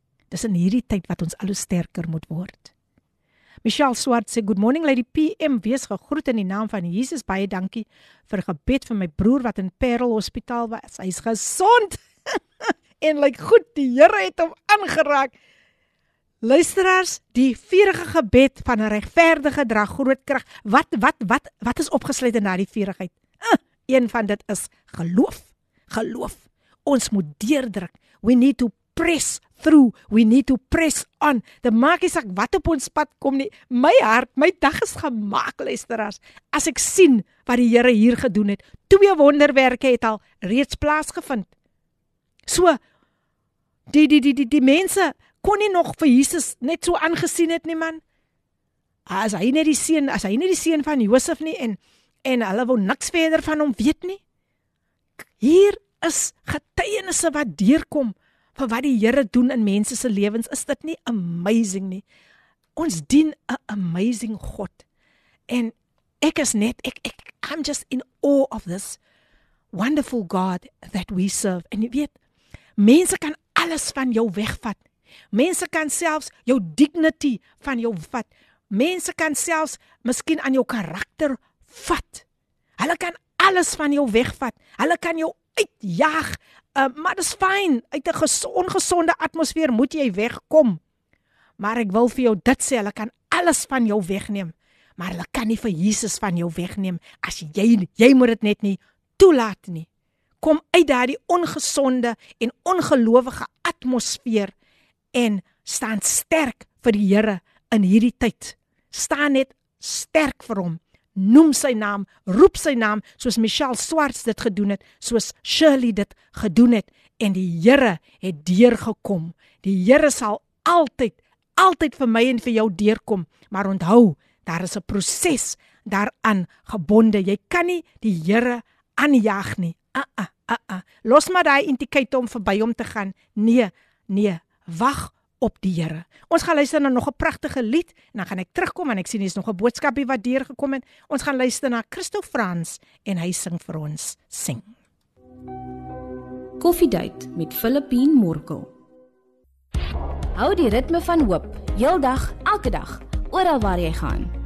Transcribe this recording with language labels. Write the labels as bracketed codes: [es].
[af] Dis in hierdie tyd wat ons alu sterker moet word. Michelle Swart sê, [en] good morning Lady PM, [af] wees gegroet in die naam van Jesus. Baie dankie vir gebed vir my broer wat in Parel Hospitaal was. Hy is gesond en lyk goed, die Here het hom aangeraak. Luisteraars, die vurige gebed van 'n regverdige dra groot krag. Wat is opgesluit in daardie vurigheid? Een van dit is geloof. Geloof. Ons moet deurdruk. [en] We need to press through. We need to press on. [af] Dit maak nie saak wat op ons pad kom nie. My hart, my dag is gemaak, luisteraars. As ek sien wat die Here hier gedoen het, 2 wonderwerke het al reeds plaasgevind. So die mense kon nie nog vir Jesus net so aangesien het nie, man. As hy nie die seun van Josef nie en hulle wou niks verder van hom weet nie. Hier is getuienisse wat deurkom vir wat die Here doen in mense se lewens. Is dit nie amazing nie? Ons dien 'n amazing God. En ek is net ek [en] I'm just in awe of this wonderful God that we serve. [af] En jy weet, mense kan alles van jou wegvat. Mense kan selfs jou dignity van jou vat. Mense kan selfs miskien aan jou karakter vat. Hulle kan alles van jou wegvat. Hulle kan jou uitjaag. Maar dis fyn. Uit 'n ongesonde atmosfeer moet jy wegkom. Maar ek wil vir jou dit sê, hulle kan alles van jou wegneem, maar hulle kan nie vir Jesus van jou wegneem as jy moet dit net nie toelaat nie. Kom uit daardie ongesonde en ongelowige atmosfeer en staan sterk vir die Here in hierdie tyd. Staan net sterk vir hom. Noem sy naam, roep sy naam, soos Michelle Swarts dit gedoen het, soos Shirley dit gedoen het, en die Here het deurgekom. Die Here sal altyd vir my en vir jou deurkom, maar onthou, daar is 'n proses daaraan gebonde. Jy kan nie die Here aanjaag nie. Los maar daai entiteit om verby hom te gaan. Nee, wag op die Here. Ons gaan luister na nog 'n pragtige lied en dan gaan ek terugkom en ek sien hier's nog 'n boodskapie wat deur gekom het. Ons gaan luister na Christo Frans en hy sing vir ons. Sing. Koffiedייט met Filippine Morkel. Hou die ritme van hoop, heeldag, elke dag, oral waar jy gaan.